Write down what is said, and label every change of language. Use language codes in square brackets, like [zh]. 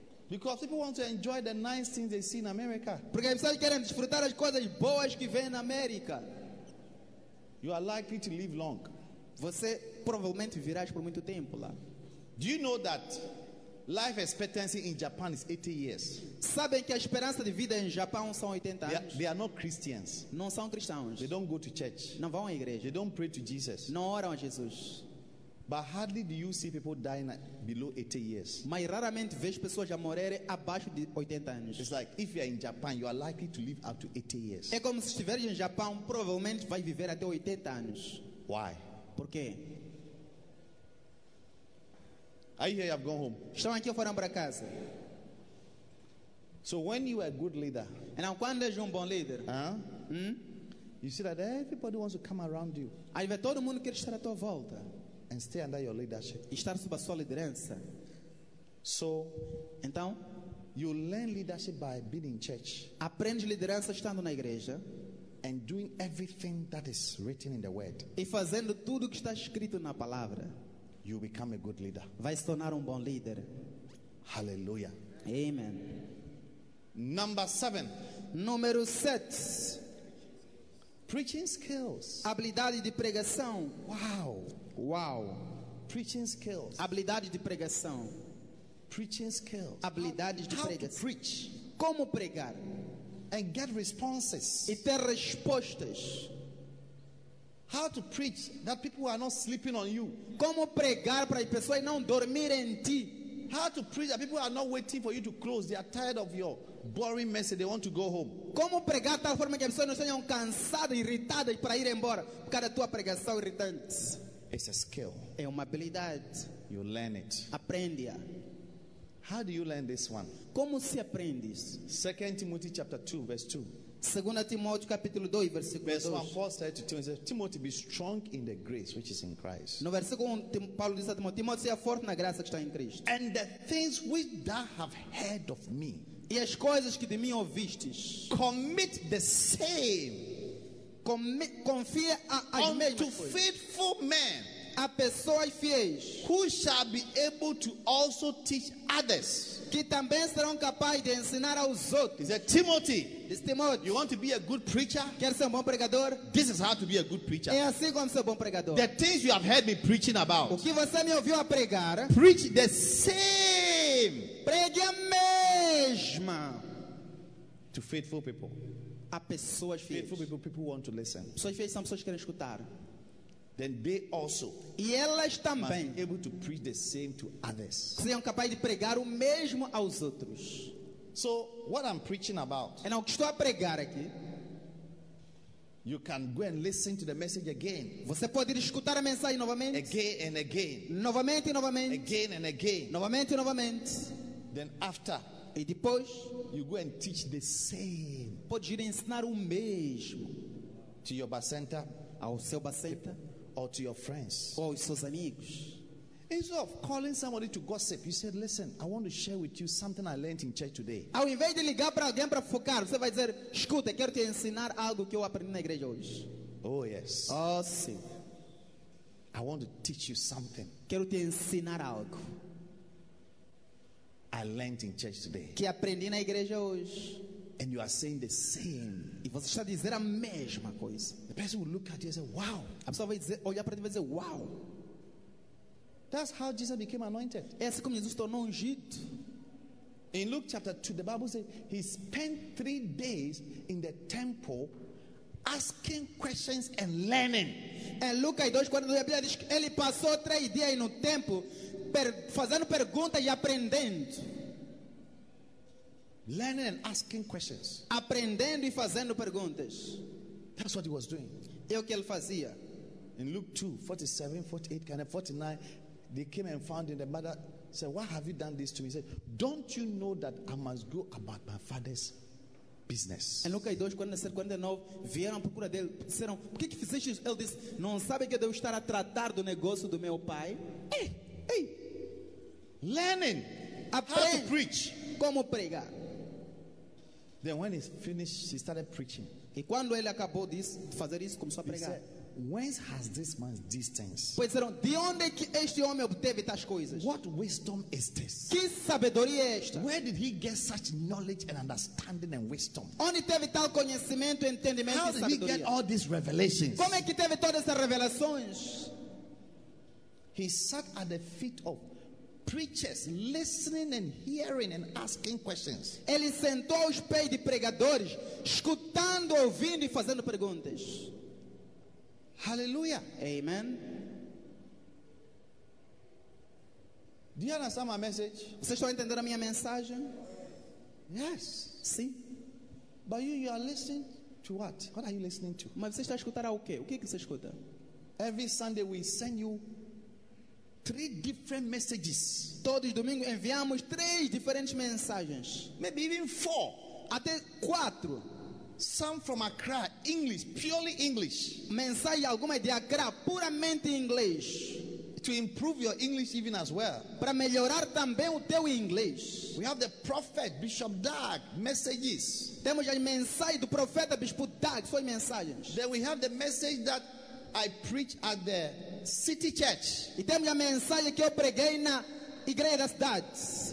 [en] Because people want to enjoy the nice things they see in America. [pt] Porque as pessoas querem desfrutar as coisas boas que vêm na América. [en] You are likely to live long. [pt] Você provavelmente viverás por muito tempo lá. [en] Do you know that life expectancy in Japan is 80 years? [pt] Sabem que a esperança de vida em Japão são 80 anos? [en] They are not Christians. [pt] Não são cristãos. [en] They don't go to church. [pt] Não vão à igreja. [en] They don't pray to Jesus. [pt] Não oram a Jesus. [en] But hardly do you see people dying below 80 years. [pt] Mas raramente vejo pessoas a morrerem abaixo de 80 anos. [en] It's like if you are in Japan, you are likely to live up to 80 years. [pt] É como se estiver em Japão, provavelmente vai viver até 80 anos. [en] Why? [pt] Por quê? [en] Are you here? I've gone home. [pt] Estão aqui ou foram para casa? [en] So when you are a good leader, and now [pt] quando és bom líder, [en] you see that everybody wants to come around you. [pt] Aí vê todo mundo quer estar à tua volta. [en] And stay under your leadership. [pt] Estar sob a sua liderança. [en] So, [pt] então, [en] you learn leadership by being in church. [pt] Aprende liderança estando na igreja. [en] And doing everything that is written in the word. [pt] E fazendo tudo que está escrito na palavra. [en] You become a good leader. [pt] Vai se tornar bom líder. Hallelujah. Amen. [en] Number 7. [pt] Número 7. [en] Preaching skills. [pt] Habilidade de pregação. Wow. Wow. [en] Preaching skills. [pt] Habilidade de pregação. [en] Preaching skills. [pt] Habilidade de pregação. [en] How to preach. [pt] Como pregar. [en] And get responses. [pt] E ter respostas. [en] How to preach that people are not sleeping on you. [pt] Como pregar para as pessoas não dormirem em ti. [en] How to preach that people are not waiting for you to close. They are tired of your boring message. They want to go home. [pt] Como pregar tal forma que as pessoas não sejam cansadas, irritadas para ir embora por causa da tua pregação irritante. [en] It's a skill. [pt] É uma habilidade. [en] You learn it. [pt] Aprende-a. [en] How do you learn this one? [pt] Como se aprende isso? [en] 2 Timothy chapter 2 verse 2. [pt] 2 Timóteo capítulo 2 versículo 2. [en] Verse 1, Paul said to Timothy, Timothy be strong in the grace which is in Christ. [pt] No versículo 1, Paulo diz a Timóteo, seja forte na graça que está em Cristo. [en] And the things which thou have heard of me. [pt] E as coisas que de mim ouvistes. [en] Commit the same. [pt] Confia a [en] unto faithful men, [pt] a pessoas fiéis, [en] who shall be able to also teach others, [pt] que também serão capazes de ensinar aos outros. [en] Is that Timothy? This Timothy. You want to be a good preacher? [pt] Quer ser bom pregador? [en] This is how to be a good preacher. [pt] É assim como ser bom pregador. [en] The things you have heard me preaching about. [pt] O que você me ouviu a pregar? [en] Preach the same. [pt] Pregue a mesma. [en] To faithful people. [pt] A pessoas fiéis. [en] Faithful people want to listen. [pt] Pessoas fiéis são pessoas que querem escutar. [en] Then they also. [pt] E elas também. [en] Must be able to preach the same to others. [pt] Sejam capazes de pregar o mesmo aos outros. [en] So what I'm preaching about. [pt] É o que estou a pregar aqui. [en] You can go and listen to the message again. [pt] Você pode escutar a mensagem novamente. [en] Again and again. [pt] Novamente e novamente. [en] Again and again. [pt] Novamente e novamente. [en] Then after. [pt] E depois, [en] you go and teach the same. [pt] Pode ir ensinar o mesmo [en] to your bacenta, [pt] ao seu bacenta, [en] or to your friends, [pt] ou aos seus amigos. [en] Instead of calling somebody to gossip, you said, "Listen, I want to share with you something I learned in church today." [pt] Ao invés de ligar para alguém para focar, você vai dizer, "Escuta, quero te ensinar algo que eu aprendi na igreja hoje." [en] Oh yes. [pt] Oh sim. [en] I want to teach you something. [pt] Quero te ensinar algo. [en] I learned in church today. [pt] Que aprendi na igreja hoje. [en] And you are saying the same. [pt] E você está dizendo a mesma coisa. [en] The person will look at you and say, "Wow." [pt] A pessoa vai dizer, olhar para ti e vai dizer, "Wow." [en] That's how Jesus became anointed. [pt] É assim como Jesus tornou ungido. [en] In Luke chapter 2, the Bible says he spent 3 days in the temple asking questions and learning. [pt] Em Lucas 2, quando a Bíblia diz que ele passou 3 dias no templo fazendo perguntas e aprendendo. [en] Learning and asking questions. [pt] Aprendendo e fazendo perguntas. [en] That's what he was doing. [pt] É o que ele fazia. [en] In Luke 2, 47, 48, kind of 49, they came and found him. The mother said, "Why have you done this to me?" He said, "Don't you know that I must go about my father's business?" [pt] Em Lucas 2, 49, vieram à procura dele. Disseram, "Por que que fizeste isso?" Ele disse, "Não sabe que eu devo estar a tratar do negócio do meu pai?" [en] Hey, learning [pt] aprende [en] how to preach. [pt] Como pregar. [en] Then when he finished, she started preaching. [pt] E quando ele acabou de fazer isso, começou a pregar. [en] Whence has this man's distance? [pt] Pois eram, de onde que este homem obteve tais coisas? [en] What wisdom is this? [pt] Que sabedoria é esta? [en] Where did he get such knowledge and understanding and wisdom? [pt] Onde teve tal conhecimento, entendimento e sabedoria? [en] How did he get all these revelations? [pt] Como é que teve todas essas revelações? [en] He sat at the feet of preachers, listening and hearing and asking questions. [pt] Ele sentou aos pés de pregadores, escutando, ouvindo e fazendo perguntas. Hallelujah. Amen. [en] Do you understand my message? [pt] Vocês estão entendendo a minha mensagem? [en] Yes. [pt] Sim. [en] But you are listening to what? What are you listening to? [pt] Mas você está escutando o quê? O que que você escuta? [en] Every Sunday we send you 3 different messages. [pt] Todos os domingos enviamos 3 diferentes mensagens. [en] Maybe even 4. [pt] Até 4. [en] Some from Accra, English, purely English. [pt] Mensagem alguma de Accra, puramente inglês. [en] To improve your English even as well. [pt] Para melhorar também o teu inglês. [en] We have the prophet, Bishop Doug, messages. [pt] Temos a mensagem do profeta, Bispo Doug, suas mensagens. [en] Then we have the message that I preach at the city church. [pt] E temos a mensagem que eu preguei na igreja das cidades.